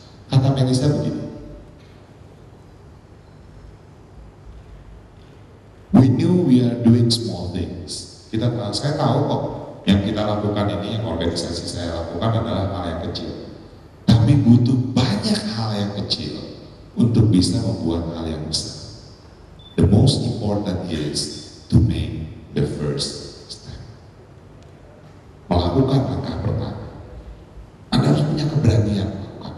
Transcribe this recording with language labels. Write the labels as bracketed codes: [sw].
[id] Kata Melisa begini, [en] we knew we are doing small things. [id] Kita, saya tahu kok yang kita lakukan ini, yang organisasi saya lakukan adalah hal yang kecil. Tapi butuh banyak hal yang kecil untuk bisa membuat hal yang besar. [en] The most important is to make the first step. [id] Melakukan langkah pertama. Anda harus punya keberanian.